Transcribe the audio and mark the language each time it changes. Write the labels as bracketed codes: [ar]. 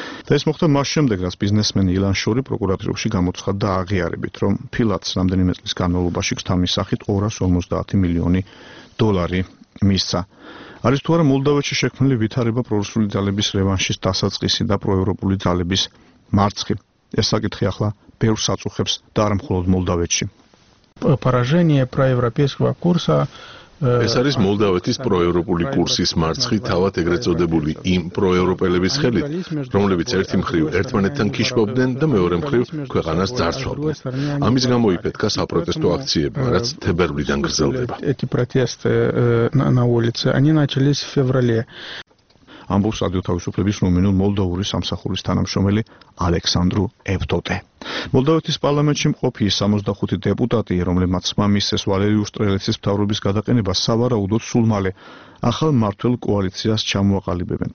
[ka] და ეს მოხდა მას შემდეგ, რაც ბიზნესმენი ილან შორი პროკურატურაში გამოცხადა აღიარებით, რომ ფილატს რამდენიმე წლის განმავლობაში ქთამის სახით 250 მილიონი დოლარი მისცა. არის თუ არა მოლდავეთში შექმნილი ვითარება პრორუსული ძალების რევანშის დასაწყისი და პროევროპული ძალების მარცხი? ეს საკითხი ახლა ბევრ საწუხებს და არ მხოლოდ მოლდავეთში. [ru] Поражение проевропейского курса. [ka] ეს არის მოლდავეთის პროევროპული კურსის მარცხი, თავად ეგრეთ წოდებული იმ პროევროპელების ხელით, რომლებიც ერთი მხრივ ერთმანეთთან ქიშობდნენ და მეორე მხრივ ქვეყანას ძარცვავდნენ. ამის გამო იფეთქა საპროტესტო აქციები, რაც თებერვლიდან გრძელდება. [ru] Эти протесты на улице, они начались в феврале. [ka] ამბობს რადიო თავისუფლების რუმინულ მოლდავური სამსახურის თანამშრომელი ალექსანდრუ ევტოტე. მოლდავეთის პარლამენტში მყოფი 65 დეპუტატი, რომლებმაც მამისეს ვალერიუს სტრელეცის მთავრობის გადაყენება სავარაუდოდ სულ მალე ახალ მართველ კოალიციას ჩამოაყალიბებენ.